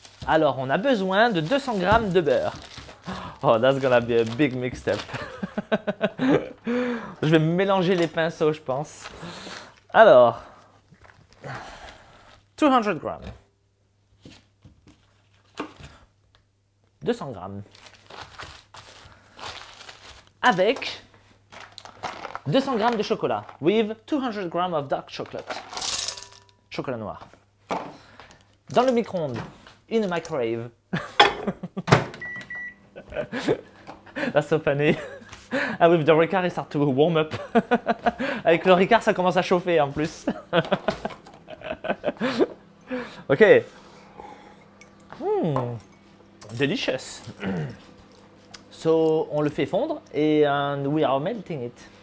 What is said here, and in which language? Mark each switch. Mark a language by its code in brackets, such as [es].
[fr] Alors, on a besoin de 200 grams de beurre. [en] Oh, that's gonna be a big mix-up. [fr] Je vais mélanger les pinceaux, je pense. Alors, 200 grams. 200 grammes. Avec 200 grammes de chocolat. [en] With 200 grammes of dark chocolate. [fr] Chocolat noir. Dans le micro-ondes. [en] In the microwave. That's so funny. And with the Ricard, it starts to warm up. [fr] Avec le Ricard, ça commence à chauffer en plus. Ok. [en] Delicious. So, [fr] on le fait fondre et [en] we are melting it.